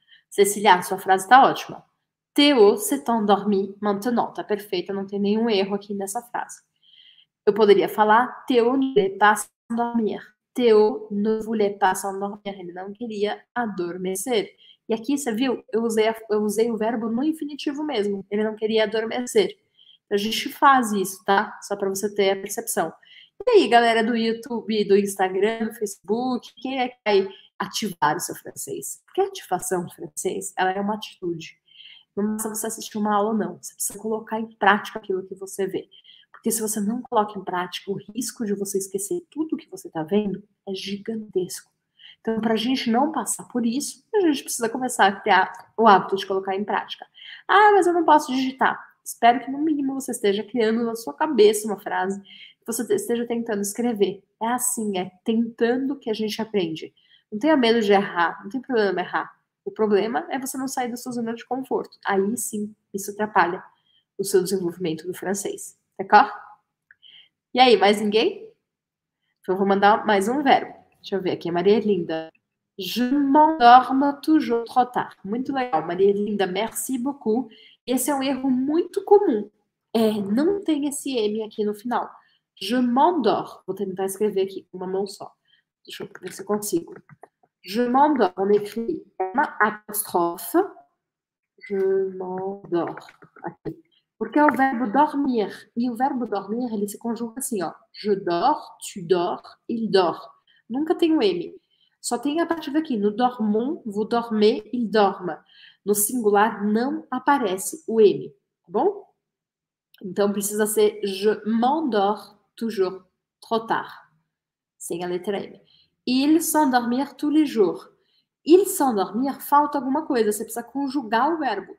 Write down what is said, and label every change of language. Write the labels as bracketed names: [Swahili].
[Portuguese] Cecília, sua frase está ótima. [French] Théo s'est endormi maintenant. [Portuguese] Tá perfeita, não tem nenhum erro aqui nessa frase. Eu poderia falar [French] Théo ne voulait pas s'endormir. Théo ne voulait pas s'endormir. [Portuguese] Ele não queria adormecer. E aqui, você viu? Eu usei o verbo no infinitivo mesmo. Ele não queria adormecer. A gente faz isso, tá? Só para você ter a percepção. E aí, galera do YouTube, do Instagram, do Facebook, quem é que vai ativar o seu francês? Porque a ativação do francês, ela é uma atitude. Não basta você assistir uma aula, não. Você precisa colocar em prática aquilo que você vê. Porque se você não coloca em prática, o risco de você esquecer tudo que você está vendo é gigantesco. Então, para a gente não passar por isso, a gente precisa começar a criar o hábito de colocar em prática. Ah, mas eu não posso digitar. Espero que no mínimo você esteja criando na sua cabeça uma frase, que você esteja tentando escrever. É assim, é tentando que a gente aprende. Não tenha medo de errar, não tem problema errar. O problema é você não sair da sua zona de conforto. Aí sim, isso atrapalha o seu desenvolvimento do francês. [French] D'accord? [Portuguese] E aí, mais ninguém? Então, eu vou mandar mais um verbo. Deixa eu ver aqui, Maria Linda. [French] Je m'endorme toujours trop tard. [Portuguese] Muito legal, Maria Linda. [French] Merci beaucoup. [Portuguese] Esse é um erro muito comum. Não tem esse M aqui no final. [French] Je m'endors. [Portuguese] Vou tentar escrever aqui com uma mão só. Deixa eu ver se eu consigo. [French] Je m'endors. On écrit M apostrophe. Je m'endors. Aqui. [Portuguese] Porque é o verbo dormir. E o verbo dormir, ele se conjuga assim, ó. [French] Je dors, tu dors, il dort. [Portuguese] Nunca tem o um M. Só tem a partir daqui. [French] No dormons, vous dormez, il dorme. [Portuguese] No singular não aparece o M, tá bom? Então precisa ser [French] je m'endors toujours trop tard, [Portuguese] sem a letra M. [French] Il s'endormir tous les jours. Il s'endormir, [Portuguese] falta alguma coisa, você precisa conjugar o verbo.